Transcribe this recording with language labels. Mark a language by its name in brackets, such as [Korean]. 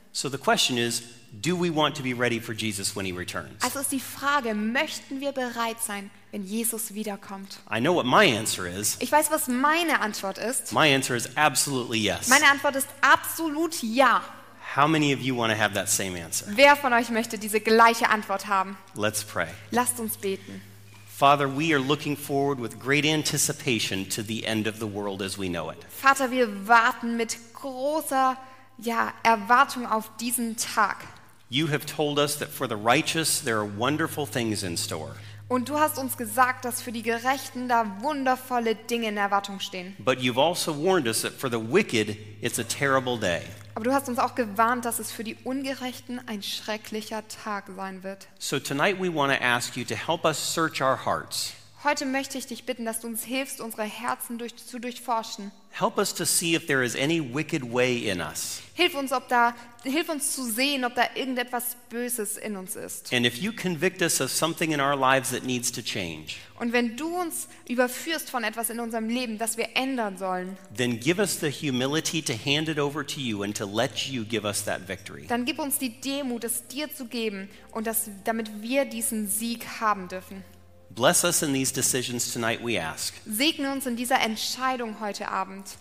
[English] So the question is, do we want to be ready for Jesus when he returns? [German] Also ist die Frage, möchten wir bereit sein, wenn Jesus wiederkommt? [English] I know what my answer is. [German] Ich weiß, was meine Antwort ist. [English] My answer is absolutely yes. [German] Meine Antwort ist absolut ja. [English] How many of you want to have that same answer? [German] Wer von euch möchte diese gleiche Antwort haben? [English] Let's pray. [German] Lasst uns beten. [English] Father, we are looking forward with great anticipation to the end of the world as we know it. [German] Vater, wir warten mit großer ja, Erwartung auf diesen Tag. [English] You have told us that for the righteous there are wonderful things in store. [German] Und du hast uns gesagt, dass für die Gerechten da wundervolle Dinge in Erwartung stehen. [English] But you've also warned us that for the wicked it's a terrible day. [German] Aber du hast uns auch gewarnt, dass es für die Ungerechten ein schrecklicher Tag sein wird. [English] So tonight we want to ask you to help us search our hearts. [German] Heute möchte ich dich bitten, dass du uns hilfst, unsere Herzen zu durchforschen. [English] Help us to see if there is any wicked way in us. [German] Hilf uns zu sehen, ob da irgendetwas Böses in uns ist. [English] And if you convict us of something in our lives that needs to change. [German] Und wenn du uns überführst von etwas in unserem Leben, das wir ändern sollen. [English] Then give us the humility to hand it over to you and to let you give us that victory. [German] Dann gib uns die Demut, es dir zu geben und damit wir diesen Sieg haben dürfen. [English] Bless us in these decisions tonight, we ask. [German] Segne uns in dieser Entscheidung heute Abend.